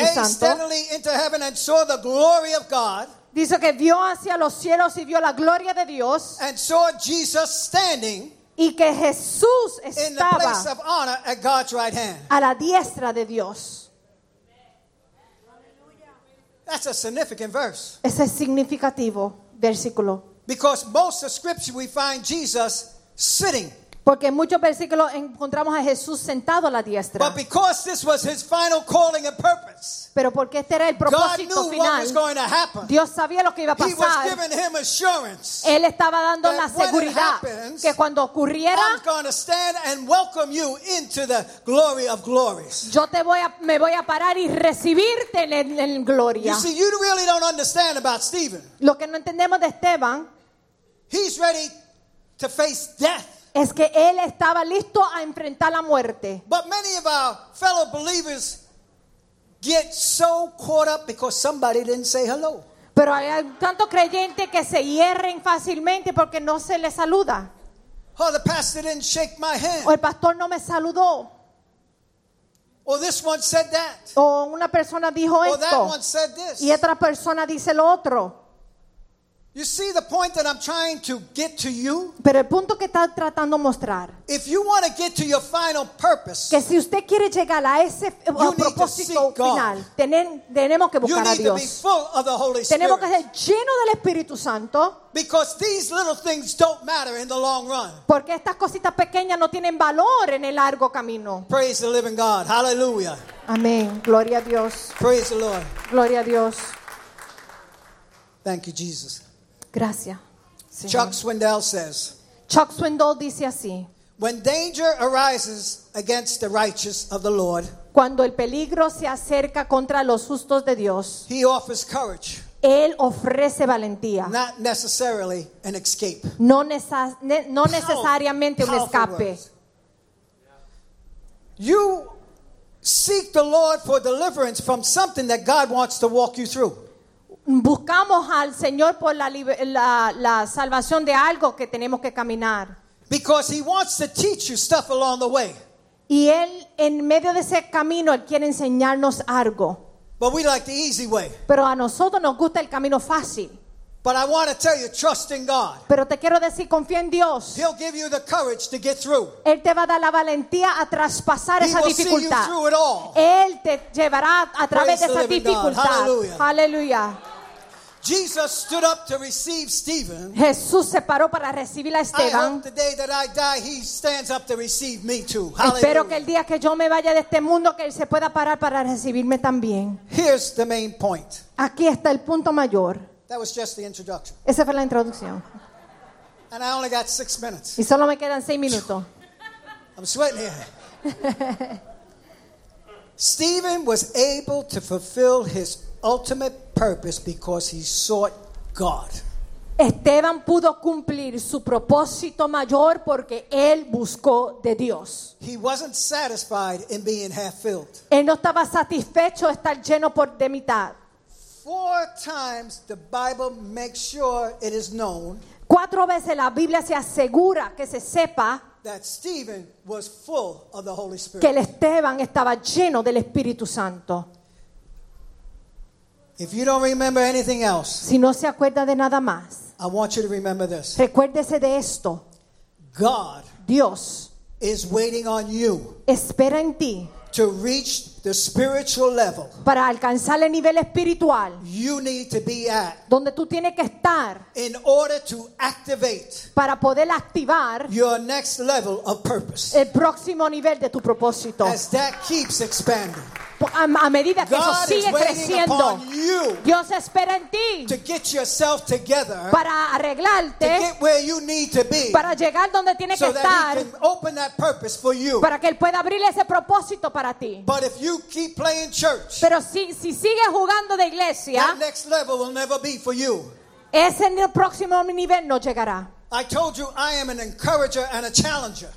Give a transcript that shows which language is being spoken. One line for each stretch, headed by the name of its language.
English: gazed
Spanish: Santo,
English: gazed steadily into heaven and saw the glory of God.
Spanish: Dice que vio hacia los cielos y vio la gloria de Dios.
English: And saw Jesus standing,
Spanish: y que Jesús estaba,
English: in the place of honor at God's right hand.
Spanish: A la diestra de Dios.
English: That's a significant verse.
Spanish: Ese es significativo versículo.
English: Because most of scripture we find Jesus sitting.
Spanish: Porque en muchos versículos encontramos a Jesús sentado a la diestra.
English: But because this was his final calling and purpose.
Spanish: Pero porque este era el propósito final.
English: God knew what was going to happen.
Spanish: Dios sabía lo que iba a pasar.
English: He was giving him assurance.
Spanish: Él estaba dando la seguridad que cuando ocurriera,
English: I'm going to stand and welcome you into the glory of glories.
Spanish: Yo me voy a parar y recibirte en gloria.
English: You see, you really don't understand about Stephen.
Spanish: Lo que no entendemos de Esteban,
English: he's ready to face death.
Spanish: Es que él estaba listo a enfrentar la muerte.
English: But many of our fellow believers get so caught up because somebody didn't say hello.
Spanish: Pero hay tanto creyente que se hierren fácilmente porque no se le saluda.
English: Oh, the pastor didn't shake my hand.
Spanish: O el pastor no me saludó.
English: Or this one said that.
Spanish: O una persona dijo
English: or
Spanish: esto.
English: That one said this.
Spanish: Y otra persona dice lo otro.
English: You see the point that I'm trying to get to you?
Spanish: Pero el punto que está tratando mostrar.
English: If you want to get to your final purpose.
Spanish: Que si usted quiere llegar a ese propósito final, tenemos que buscar a Dios.
English: You need to be full of the Holy Spirit.
Spanish: Tenemos que ser lleno del Espíritu Santo.
English: Because these little things don't matter in the long run.
Spanish: Porque estas cositas pequeñas no tienen valor en el largo camino.
English: Praise the living God. Hallelujah.
Spanish: Amén. Gloria a Dios.
English: Praise the Lord.
Spanish: Gloria a Dios.
English: Thank you, Jesus.
Spanish: Gracias, Señor.
English: Chuck Swindoll says.
Spanish: Chuck Swindoll dice así.
English: When danger arises against the righteous of the Lord.
Spanish: Cuando el peligro se acerca contra los justos de Dios.
English: He offers courage.
Spanish: Él ofrece valentía.
English: Not necessarily an escape.
Spanish: No necesariamente un escape.
English: You seek the Lord for deliverance from something that God wants to walk you through.
Spanish: Buscamos al Señor por la salvación de algo que tenemos que caminar.
English: Because he wants to teach you stuff along the way.
Spanish: Y él en medio de ese camino él quiere enseñarnos algo.
English: But we like the easy way.
Spanish: Pero a nosotros nos gusta el camino fácil.
English: But I want to tell you, trust in God.
Spanish: Pero te quiero decir, confía en Dios.
English: He'll give you the courage to get through.
Spanish: Él te va a dar la valentía a traspasar
English: he
Spanish: esa dificultad.
English: See you through it all.
Spanish: Él te llevará a través
English: praise
Spanish: de esa dificultad. Hallelujah. Hallelujah.
English: Jesus stood up to receive Stephen.
Spanish: Jesús se paró para recibir a Esteban.
English: I hope the day that I die, he stands up to receive me too. Hallelujah.
Spanish: Espero que el día que yo me vaya de este mundo que él se pueda parar para recibirme también.
English: Here's the main point.
Spanish: Aquí está el punto mayor.
English: That was just the introduction.
Spanish: Esa fue la introducción.
English: And I only got 6 minutes.
Spanish: Y solo me quedan 6 minutos.
English: I'm sweating here. Stephen was able to fulfill his ultimate purpose because he sought God.
Spanish: Esteban pudo cumplir su propósito mayor porque él buscó de Dios.
English: He wasn't satisfied in being half-filled.
Spanish: Él no estaba satisfecho de estar lleno por de mitad.
English: 4 times the Bible makes sure it is known.
Spanish: 4 veces la Biblia se asegura que se sepa
English: that Stephen was full of the Holy Spirit.
Spanish: Que el Esteban estaba lleno del Espíritu Santo.
English: If you don't remember anything else,
Spanish: si no se acuerda de nada más,
English: I want you to remember this.
Spanish: Recuérdese de esto.
English: God,
Spanish: Dios,
English: is waiting on you.
Spanish: Espera en ti.
English: To reach the spiritual level.
Spanish: Para alcanzar el nivel espiritual.
English: You need to be at.
Spanish: Donde tú tienes que estar.
English: In order to activate.
Spanish: Para poder activar.
English: Your next level of purpose.
Spanish: El próximo nivel de tu propósito.
English: As that keeps expanding.
Spanish: A medida que
English: God
Spanish: eso sigue creciendo. Dios espera en ti.
English: To get yourself together.
Spanish: Para arreglarte.
English: To get where you need to be.
Spanish: Para llegar donde tienes
English: so
Spanish: que estar.
English: That he can open that purpose for you.
Spanish: Para que él pueda abrir ese propósito para ti.
English: But if you keep playing church.
Spanish: Pero si sigues jugando de iglesia.
English: That next level will never be for you.
Spanish: Ese en el próximo nivel no llegará.
English: I told you I am an encourager and a challenger.